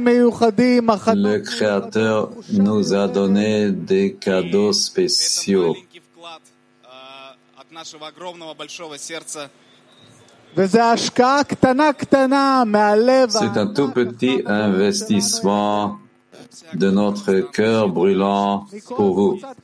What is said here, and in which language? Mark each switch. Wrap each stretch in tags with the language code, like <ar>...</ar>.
<fr>Le Créateur nous a donné des cadeaux spéciaux.</fr> <ru>Маленький вклад от нашего огромного большого сердца.</ru> <he>וזה השקעה קטנה קטנה מהלב.</he> <fr>C'est un tout petit investissement de notre cœur brûlant pour vous.</fr>